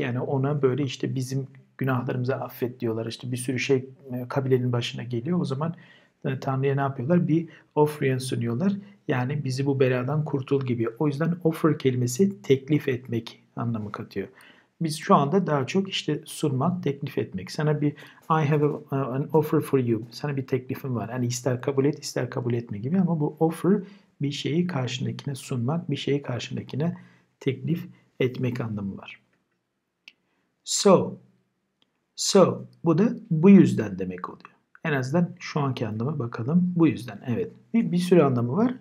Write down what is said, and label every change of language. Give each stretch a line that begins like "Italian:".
Turkish: Yani ona böyle işte bizim günahlarımızı affet diyorlar. İşte bir sürü şey kabilenin başına geliyor. O zaman Tanrı'ya ne yapıyorlar? Bir offering sunuyorlar. Yani bizi bu beladan kurtul gibi. O yüzden offer kelimesi teklif etmek anlamı katıyor. Biz şu anda daha çok işte sunmak, teklif etmek. Sana bir
English: I have an offer for you.
Turkish: Sana bir teklifim var. Yani ister kabul et, ister kabul etme gibi. Ama bu offer bir şeyi karşındakine sunmak, bir şeyi karşındakine teklif etmek anlamı var. So. So. Bu da bu yüzden demek oluyor. En azından şu anki anlama bakalım. Bu yüzden. Evet. Bir sürü anlamı var.